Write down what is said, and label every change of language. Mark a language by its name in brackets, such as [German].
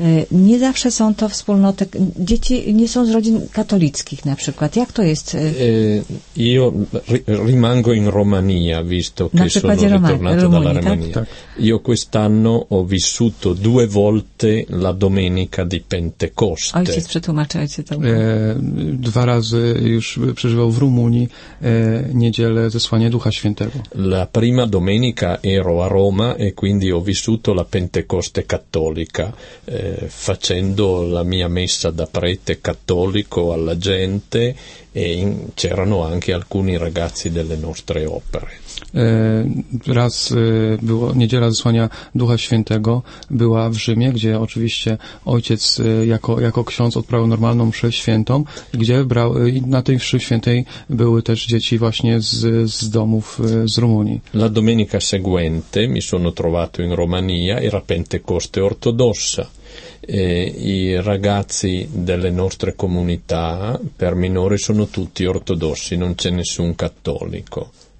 [Polish] Nie zawsze są to wspólnoty. Dzieci nie są z rodzin katolickich na przykład. Jak to jest? [Italian] Io rimango in Romania, visto che sono ritornato dalla Romania. Io quest'anno ho vissuto due volte la domenica di Pentecoste. [Polish] Ojciec przetłumaczy, ojciec to. Dwa razy już przeżywał w Rumunii niedzielę zesłania Ducha Świętego. [Italian] La prima domenica ero a Roma e quindi ho vissuto la Pentecoste cattolica, facendo la mia messa da prete cattolico alla gente e c'erano anche alcuni ragazzi delle nostre opere. [Polish] Raz było niedziela zesłania Ducha Świętego, była w Rzymie, gdzie oczywiście ojciec jako ksiądz odprawił normalną mszę świętą, gdzie brał i na tej mszy świętej były też dzieci właśnie z domów z Rumunii. [Italian] La domenica seguente mi sono trovato in Romania, era Pentecoste ortodossa. I ragazzi delle nostre comunità per minori sono tutti ortodossi, non c'è nessun cattolico.